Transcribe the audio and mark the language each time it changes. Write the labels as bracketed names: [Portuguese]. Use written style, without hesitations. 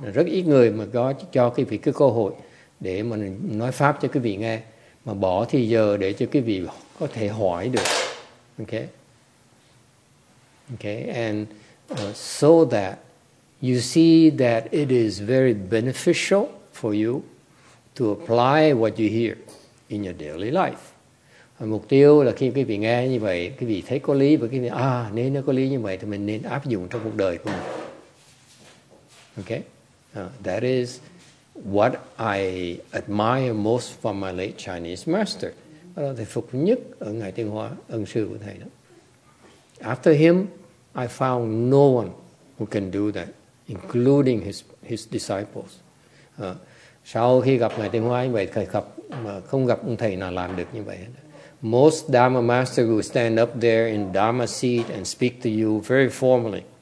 [Vietnamese] Rất ít người mà có cho quý vị cái cơ hội để mà nói pháp cho quý vị nghe, mà bỏ thì giờ để cho quý vị có thể hỏi được. [English] Okay, and so that you see that it is very beneficial for you to apply what you hear in your daily life. [Vietnamese] Mục tiêu là khi quý vị nghe như vậy, quý vị thấy có lý và quý vị nếu nó có lý như vậy thì mình nên áp dụng trong cuộc đời của mình. Okay? [English] That is what I admire most from my late Chinese master. [Vietnamese] Đó là thầy phục nhất ở Ngài Tuyên Hóa, ân sư của thầy đó. [English] After him, I found no one who can do that, including his disciples. [Vietnamese] Sau khi gặp Ngài Tuyên Hóa như vậy, không gặp ông thầy nào làm được như vậy hết. [English] Most Dharma masters will stand up there in Dharma seat and speak to you very formally.